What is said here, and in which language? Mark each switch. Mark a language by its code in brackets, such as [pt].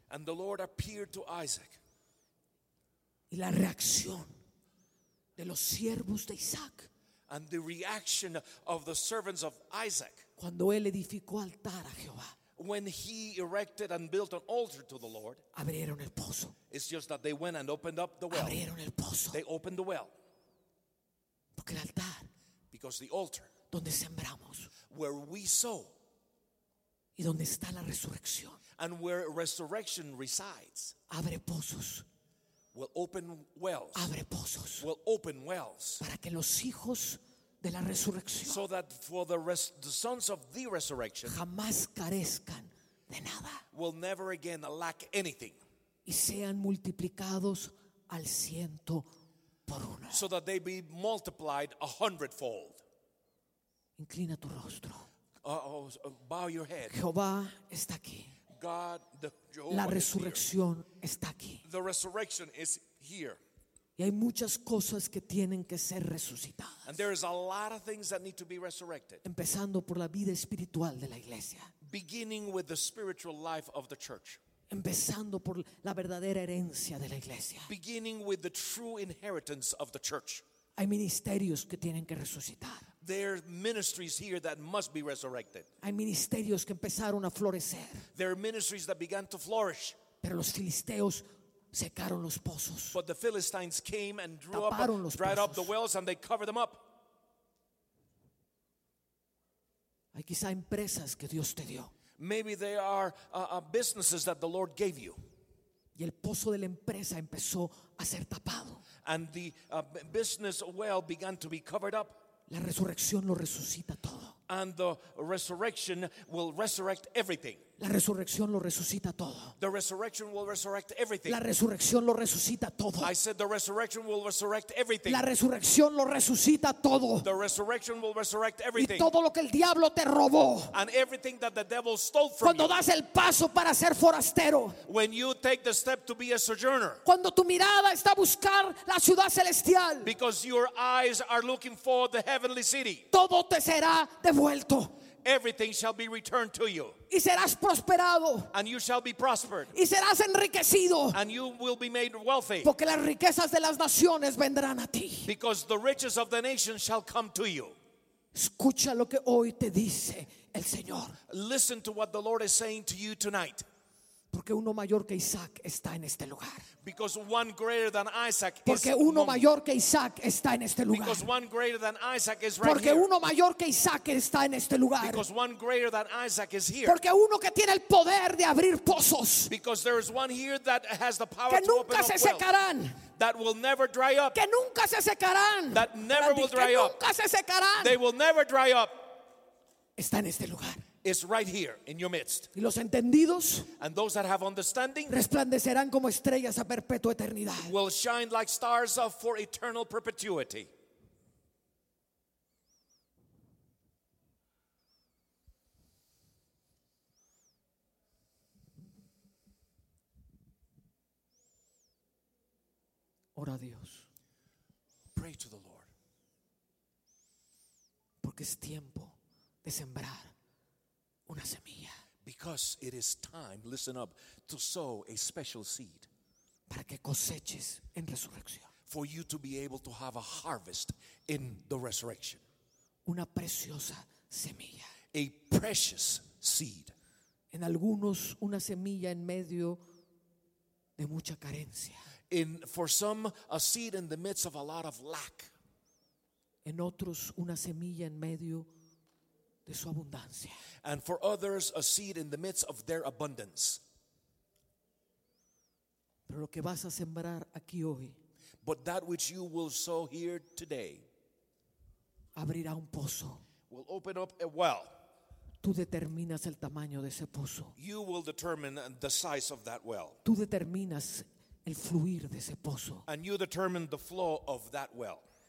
[en] And the Lord appeared to Isaac. [es] Y la reacción de los siervos de Isaac. [en] And the reaction of the servants of Isaac. [es] Cuando él edificó altar a Jehová. [en] When he erected and built an altar to the Lord, [es] abrieron el pozo. [en] It's just that they went and opened up the well. [es] Abrieron el pozo. [en] They opened the well. [es] Porque el altar, [en] because the altar, [es] donde sembramos, [en] where we sow, [es] y donde está la resurrección, [en] and where resurrection resides, [es] abre pozos. [en] Will open wells. [es] Abre pozos. [en] Will open wells. [es] Para que los hijos de la resurrección. [en] So that for the sons of the resurrection [es] jamás carezcan de nada. [en] Will never again lack anything. [es] Y sean multiplicados al ciento por uno. [en] So that they be multiplied a hundredfold. [es] Inclina tu rostro. [en] Bow your head. [es] Jehová está aquí. [en] God, the Jehovah. [es] La resurrección [en] is here. [es] Está aquí. [en] The resurrection is here. [es] Y hay muchas cosas que tienen que ser resucitadas. [en] And there is a lot of things that need to be resurrected. [es] Empezando por la vida espiritual de la iglesia. [en] Beginning with the spiritual life of the church. [es] Empezando por la verdadera herencia de la iglesia. [en] Beginning with the true inheritance of the church. [es] Hay ministerios que tienen que resucitar. [en] There are ministries here that must be resurrected. [es] Hay ministerios que empezaron a florecer. [en] There are ministries that began to flourish. [es] Pero los filisteos secaron los pozos. [en] But the Philistines came and drew up, dried up the wells and they covered them up. [es] Hay quizá empresas que Dios te dio. [en] Maybe they are businesses that the Lord gave you. [es] Y el pozo de la empresa empezó a ser tapado. [en] And the business well began to be covered up. [es] La resurrección lo resucita todo. [en] And the resurrection will resurrect everything. [es] La resurrección lo resucita todo. [en] The resurrection will resurrect everything. [es] La resurrección lo resucita todo. [en] I said the resurrection will resurrect everything. [es] La resurrección lo resucita todo. [en] The resurrection will resurrect everything. [es] Y todo lo que el diablo te robó. [en] And everything that the devil stole from [es] cuando Cuando das el paso para ser forastero. [en] When you take the step to be a sojourner. [es] Cuando tu mirada está a buscar la ciudad celestial. [en] Because your eyes are looking for the heavenly city. [es] Todo te será devuelto. [en] Everything shall be returned to you. [es] Y serás prosperado. [en] And you shall be prospered. [es] Y serás enriquecido. [en] And you will be made wealthy. [es] Porque las riquezas de las naciones vendrán a ti. [en] Because the riches of the nations shall come to you. [es] Escucha lo que hoy te dice el Señor. [en] Listen to what the Lord is saying to you tonight. [es] Porque uno mayor que Isaac está en este lugar. [en] Because one greater than Isaac is. [es] Porque uno mayor que Isaac está en este lugar. [en] Because one greater than Isaac is right. [es] Porque [en] here. [es] Uno mayor que Isaac está en este lugar. [en] Because one greater than Isaac is here. [es] Porque uno que tiene el poder de abrir pozos. [en] Because there is one here that has the power [es] que nunca [en] to open [es] se secarán. [en] That will never dry up. [es] Que nunca se secarán. [en] That never will dry [es] que [en] up. [es] Nunca se secarán. [en] They will never dry up. [es] Está en este lugar. [en] Is right here in your midst. [es] Y los entendidos, [en] and those that have understanding, [es] resplandecerán como estrellas a perpetua eternidad. [en] Will shine like stars of for eternal perpetuity. [es] Ora a Dios. [en] Pray to the Lord. [es] Porque es tiempo de sembrar. Una semilla. [en] Because it is time, listen up, to sow a special seed. [es] Para que coseches en resurrección. [en] For you to be able to have a harvest in the resurrection. [es] Una preciosa semilla. [en] A precious seed. [es] En algunos, una semilla en medio de mucha carencia. [en] In, for some, a seed in the midst of a lot of lack. [es] En otros, una semilla en medio de su abundancia. [en] And for others, a seed in the midst of their abundance. [es] Pero lo que vas a sembrar aquí hoy, [en] but that which you will sow here today, [es] abrirá un pozo. [en] Will open up a well. [es] Tú determinas el tamaño de ese pozo. [en] You will determine the size of that well. [es] Tú determinas el fluir de ese pozo. [en] And you determine the flow of that well.